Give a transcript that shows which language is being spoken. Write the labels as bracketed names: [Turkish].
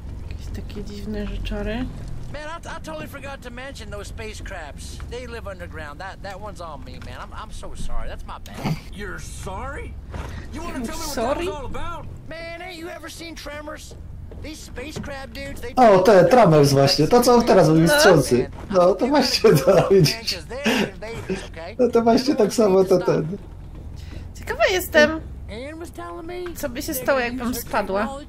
[Polish] Jakieś takie dziwne rzeczory. [English] Man, I totally forgot to mention those space crabs. They live underground. That one's on me, man. I'm so sorry. That's my bad. You're sorry? You want to tell me what that was all about? Man, ain't you ever seen Tremors? These space crab dudes, they... [Polish] O, te Tremors właśnie. To, co on teraz mówi, strzący. No, to właśnie to, widzisz. No, to właśnie tak samo to ten. Ciekawa jestem, co by się stało, jakbym spadła.